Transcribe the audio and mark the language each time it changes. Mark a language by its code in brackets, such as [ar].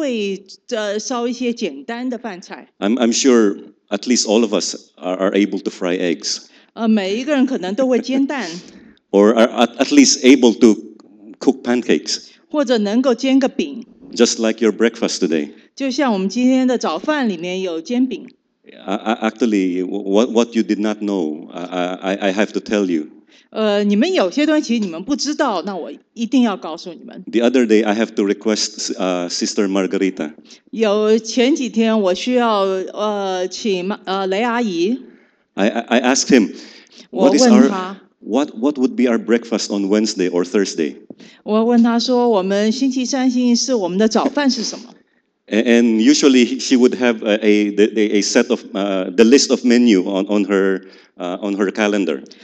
[zh] 但我们想，我们每一个人大概都会烧一些简单的饭菜。 [en] I'm sure at least all of us are able to fry eggs. [zh] 每一个人可能都会煎蛋。 [en] Or are at least able to cook pancakes. [zh] 或者能够煎个饼。 [en] Just like your breakfast today. [zh] 就像我们今天的早饭里面有煎饼。 [en] Actually, what you did not know, I have to tell you. [zh] 你们有些东西其实你们不知道，那我一定要告诉你们。 [en] The other day, I have to request Sister Margarita. [zh] 有前几天我需要请雷阿姨。 [en] I asked him, what would be our breakfast on Wednesday or Thursday? [zh] 我问他说，我们星期三、星期四我们的早饭是什么？ [en] And usually she would have a set of the list of menu on her calendar.